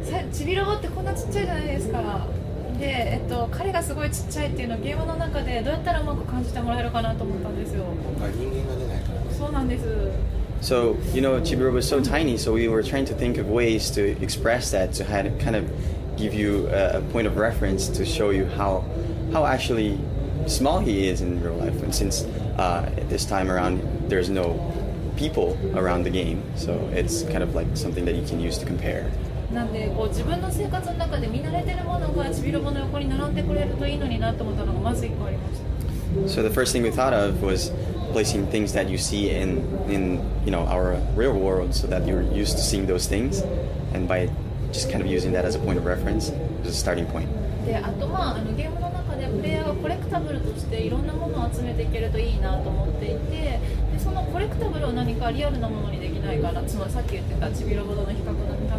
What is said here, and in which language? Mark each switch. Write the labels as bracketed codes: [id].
[ja] チビロボってこんなちっちゃいじゃないですか。で、彼がすごいちっちゃいっていうのをゲームの中でどうやったらうまく感じてもらえるかなと思ったんですよ。人間が出ないから。そうなんです。 [en] So you know, Chibirobo is so tiny, so we were trying to think of ways to express that to kind of give you a point of reference to show you how actually small he is in real life. And since this time around, there's no people around the game, so it's kind of like something that you can use to compare. [ja] なんでこう自分の生活の中で見慣れてるものがチビロボの横に並んでくれるといいのになと思ったのがまず1個ありました。 [en] So the first thing we thought of was placing things that you see in you know our real world so that you're used to seeing those things and by just kind of using that as a point of reference as a starting point. [ja] で、あとまあ、 ゲームの中でプレイヤーがコレクタブルとしていろんなものを集めていけるといいなと思っていて、でそのコレクタブルを何かリアルなものにできないかな、つまりさっき言ってたチビロボとの比較の